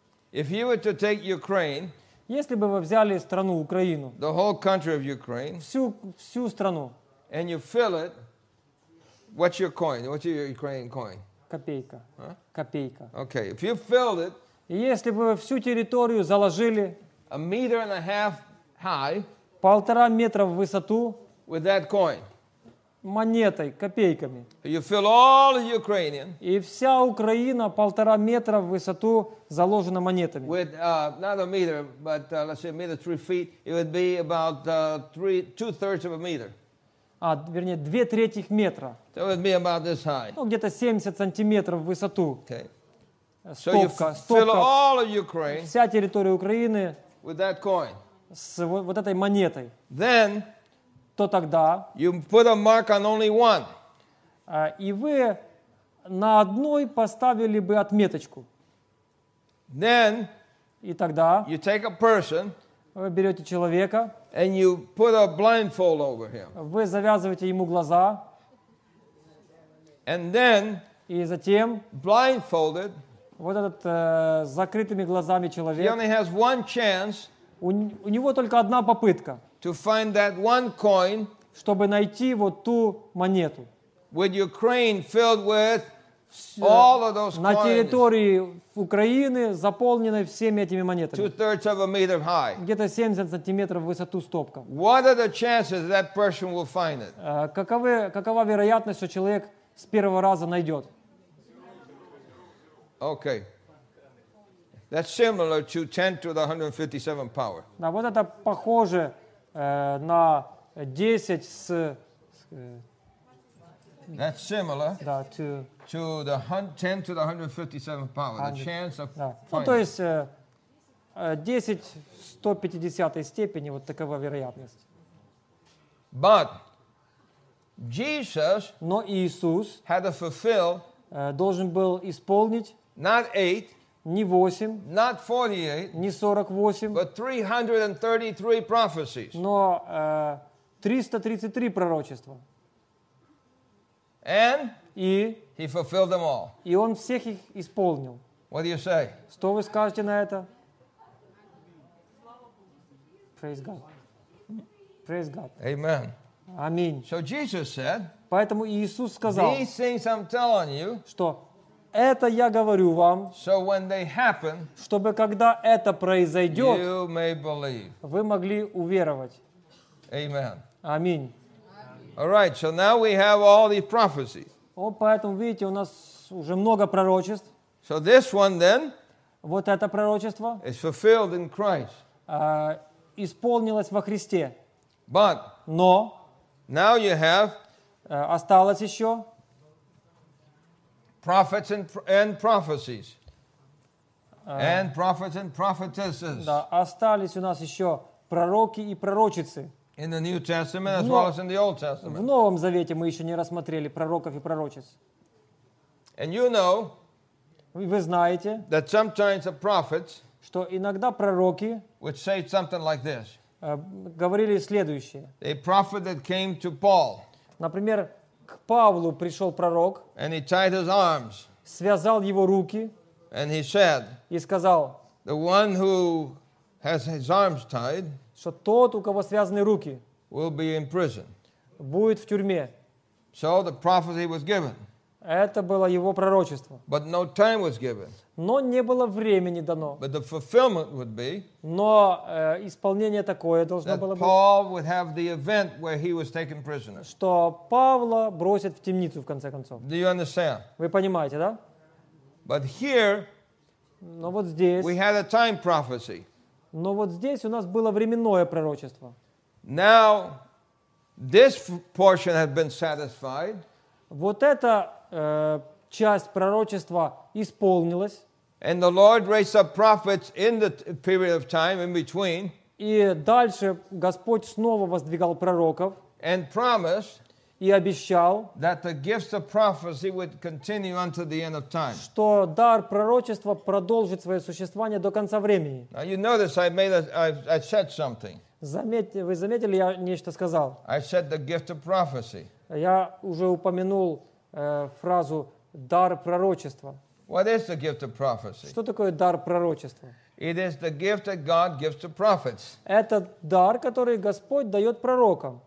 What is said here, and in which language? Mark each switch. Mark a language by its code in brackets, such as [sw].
[en] If you were to take Ukraine, [ru] если бы вы взяли страну Украину, [en] the whole country of Ukraine, [ru] всю страну, [en] and you fill it, what's your coin? What's your Ukrainian coin? [ru] Копейка. [en] Huh? [ru] Копейка. [en] Okay. If you filled it, [ru] если бы вы всю территорию заложили, [en] a meter and a half high, [ru] полтора метра в высоту, [en] with that coin, [ru] монетой, копейками, [en] you fill all of Ukrainian, [ru] и вся Украина полтора метра в высоту заложена монетами. [en] With not a meter, but let's say a meter 3 feet, it would be about 2/3 of a meter. [ru] А, вернее, 2/3 метра. [en] So it would be about this high. [ru] Ну, где-то 70 сантиметров в высоту. [en] Okay. [ru] Стопка, [en] so you fill all of Ukraine, [ru] вся территория Украины, [en] with that coin, [ru] с вот этой монетой. [en] Then, [ru] то тогда, [en] you put a mark on only one, [ru] и вы на одной поставили бы отметочку. [en] Then, [ru] и тогда, [en] you take a person, [ru] вы берете человека, [en] and you put a blindfold over him. [ru] Вы завязываете ему глаза. [en] And then, [ru] и затем, [en] blindfolded, [ru] вот этот закрытыми глазами человек, [en] he only has one chance, [ru] у него только одна попытка, [en] to find that one coin, [ru] чтобы найти вот ту монету. [en] With Ukraine filled with all of those coins, [ru] на территории Украины, заполненной всеми этими монетами. [en] 2/3 of a meter high. [ru] Где-то 70 сантиметров в высоту стопка. [en] What are the chances that person will find it? [ru] Какова вероятность, что человек с первого раза найдет? [en] Okay. That's similar to 10 to the 157 power. [ru] Да, вот это похоже на 10 с... [en] That's similar, [ru] да, [en] to, to the 10 to the 157 power, 100. The chance of, да, finding. [ru] Ну, то есть 10 в 150 степени, вот такова вероятность. [en] But Jesus, [ru] но Иисус, [en] had to fulfill, [ru] должен был исполнить, [en] not 8, [ru] не 8, [en] not 48, [ru] не 48, [en] but 333 prophecies, [ru] но 333 пророчества. [en] And [ru] и, [en] he fulfilled them all. [ru] И он всех их исполнил. [en] What do you say? [ru] Что вы скажете на это? [en] Praise God. Praise God. Amen. [ru] Аминь. [en] So Jesus said, [ru] поэтому Иисус сказал, [en] these things I'm telling you, [ru] что это я говорю вам, [en] so when they happen, [ru] чтобы когда это произойдет, [en] you may believe. [ru] Вы могли уверовать. [en] Amen. Amen. All right, so now we have all these prophecies. [ru] Поэтому, видите, у нас уже много пророчеств. [en] So this one then [ru] вот это пророчество [en] is fulfilled in Christ. [ru] Исполнилось во Христе. [en] But [ru] но [en] now you have [ru] осталось еще [en] prophets and prophecies. And prophets and prophetesses. [ru] Да, остались у нас еще пророки и пророчицы. [en] In the New Testament as well as in the Old Testament. [ru] В Новом Завете мы еще не рассмотрели пророков и пророчиц. [en] And you know, [ru] вы знаете, [en] that sometimes the prophets, [ru] что иногда пророки, [en] would say something like this. [ru] Говорили следующее. [en] A prophet that came to Paul. [ru] Например, к Павлу пришел пророк. [en] And he tied his arms. [ru] Связал его руки. [en] And he said, [ru] и сказал, [en] the one who has his arms tied, [ru] что тот, у кого связаны руки, [en] will be in prison. [ru] Будет в тюрьме. [en] So the prophecy was given. [ru] Это было его пророчество. [en] But no time was given. [ru] Но не было времени дано. [en] But the fulfillment would be, [ru] но исполнение такое должно было быть. [en] Paul would have the event where he was taken prisoner. [ru] Что Павла бросят в темницу, в конце концов. [en] Do you understand? [ru] Вы понимаете, да? [en] But here, [ru] но вот здесь, [en] we had a time prophecy. [ru] Но вот здесь у нас было временное пророчество. [en] Now, this portion has been satisfied. [ru] Вот эта часть пророчества исполнилась. [en] And the Lord raised up prophets in the period of time in between. [ru] И дальше Господь снова воздвигал пророков. [en] And promised. [ru] И обещал, [en] that the gifts of prophecy would continue until the end of time. [ru] Что дар пророчества продолжит свое существование до конца времени. [en] Now you notice I said something. [ru] Вы заметили, я нечто сказал. [en] I said the gift of prophecy. [ru] Я уже упомянул фразу дар пророчества. [en] What is the gift of prophecy? [ru] Что такое дар пророчества? [en] It is the gift that God gives to prophets. [ru] Это дар, который Господь дает пророкам.